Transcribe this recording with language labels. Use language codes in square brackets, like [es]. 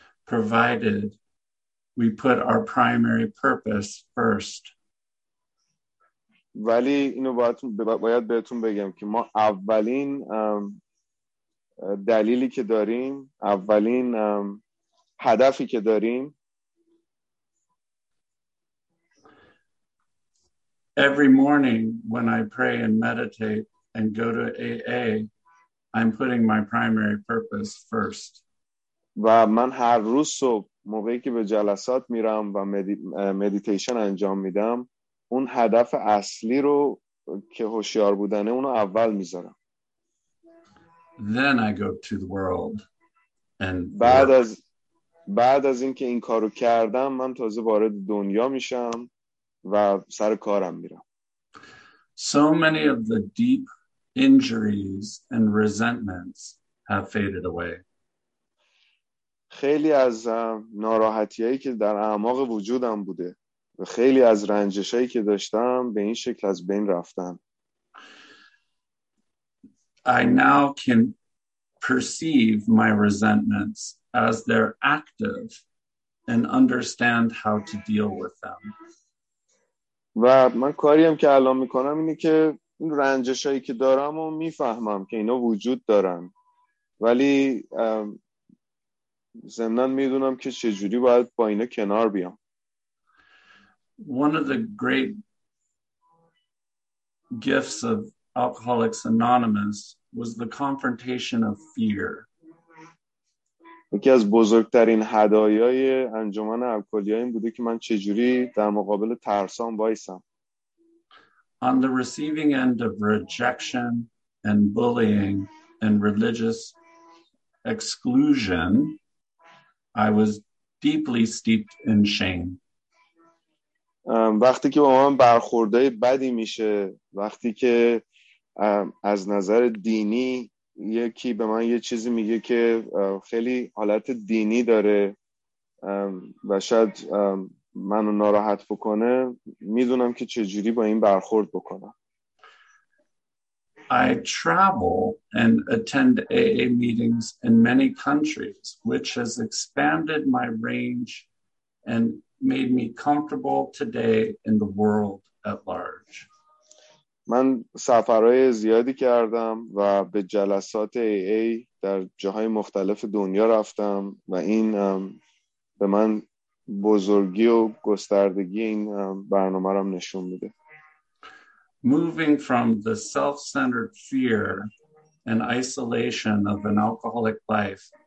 [en] Provided we put our primary purpose first. [fa] ولی اینو باید بهتون بگم که ما اولین دلیلی که داریم، اولین هدفی که داریم، [en] Every morning when I pray and meditate and go to AA, I'm putting my primary purpose first. [fa] و من هر روز صبح موقعی که به جلسات میرم و مدیتیشن انجام میدم اون هدف اصلی رو که هوشیار بودنه اونو اول میذارم. [en] Then I go to the world and [fa] بعد از اینکه این کارو کردم من تازه وارد دنیا میشم و سر کارم میرم. [en] So many of the deep injuries and resentments have faded away. [fa] خیلی از ناراحتیایی که در اعماق وجودم بوده و خیلی از رنجشایی که داشتم به این شکل از بین رفتن. [en] I now can perceive my resentments as they're active and understand how to deal with them. [fa] و من کاری هم که الان میکنم اینه که این رنجشایی که دارم و میفهمم که اینا وجود دارن ولی زمنان میدونم که چجوری باید با اینا کنار بیام. [en] One of the great gifts of Alcoholics Anonymous was the confrontation of fear. [fa] یکی از بزرگترین هدایای انجمن الکلیا این بوده که من چجوری در مقابل ترسام وایسم. [en] On the receiving end of rejection and bullying and religious exclusion, I was deeply steeped in shame. [fa] وقتی که با من برخوردای بدی میشه، وقتی که از نظر دینی یکی به من یه چیزی میگه که خیلی حالت دینی داره و شاید منو ناراحت بکنه، میدونم که چجوری با این برخورد بکنم. [en] I travel and attend AA meetings in many countries, which has expanded my range and made me comfortable today in the world at large. [fa] من سفرهای زیادی کردم و به جلسات AA در جاهای مختلف دنیا رفتم و این به من بزرگی و گستردگی این برنامه رو نشون میده. [en] Moving from the self-centered fear and isolation of an alcoholic life.